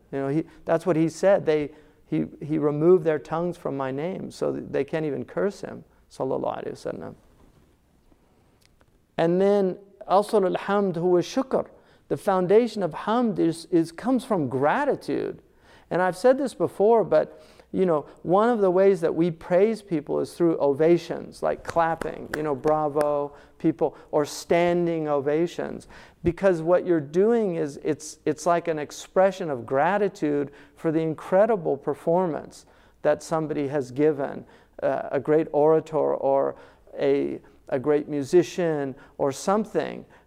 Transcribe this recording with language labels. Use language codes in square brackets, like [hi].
[en] You know, that's what he said. He removed their tongues from my name, so they can't even curse him, sallallahu alaihi wasallam. And then [ar] أصل الحمد هو الشكر. [en] The foundation of hamd comes from gratitude. And I've said this before, but you know, one of the ways that we praise people is through ovations, like clapping, you know, bravo, people, or standing ovations. Because what you're doing is it's like an expression of gratitude for the incredible performance that somebody has given, a great orator or a great musician or something.